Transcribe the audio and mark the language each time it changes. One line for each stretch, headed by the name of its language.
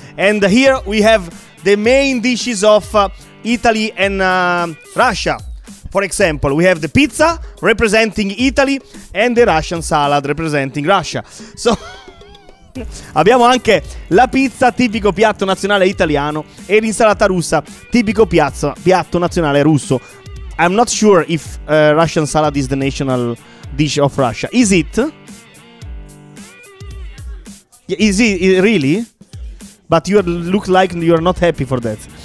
English: And here we have the main dishes of Italy and Russia. For example, we have the pizza representing Italy and the Russian salad representing Russia.
Italian: So abbiamo anche la pizza, tipico piatto nazionale italiano, e l'insalata russa, tipico piatto nazionale russo.
English: I'm not sure if Russian salad is the national dish of Russia. Is it? Is it really? But you look like you are not happy for that.